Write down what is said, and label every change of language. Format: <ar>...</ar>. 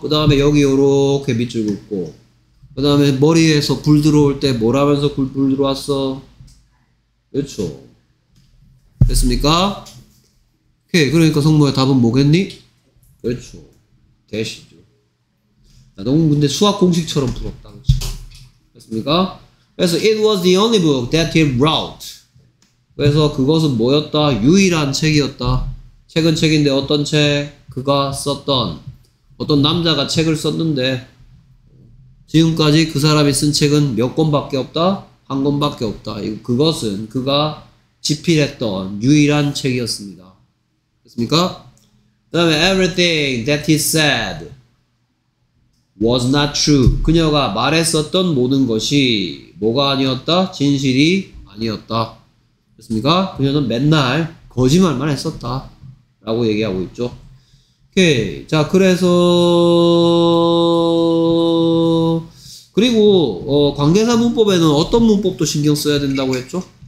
<ko>그 다음에 여기 요렇게 밑줄 긋고 그 다음에 머리에서 불 들어올 때 뭐라면서 불 들어왔어? 그쵸? 됐습니까? 오케이, 그러니까 성모의 답은 뭐겠니? 그쵸? 대시죠. 나 너무 근데 수학 공식처럼 부럽다. 그쵸? 됐습니까?</ko> <en>그래서 it was the only book that he wrote.</en> <ko>그래서 그것은 뭐였다? 유일한 책이었다. 책은 책인데 어떤 책? 그가 썼던 어떤 남자가 책을 썼는데 지금까지 그 사람이 쓴 책은 몇 권밖에 없다? 한 권밖에 없다. 그것은 그가 집필했던 유일한 책이었습니다. 됐습니까?</ko> <en>그 다음에 everything that he said was not true.</en> <ko>그녀가 말했었던 모든 것이 뭐가 아니었다? 진실이 아니었다. 됐습니까? 그녀는 맨날 거짓말만 했었다 라고 얘기하고 있죠. 오케이. 자, 그래서 그리고 관계사 문법에는 어떤 문법도 신경 써야 된다고 했죠?</ko>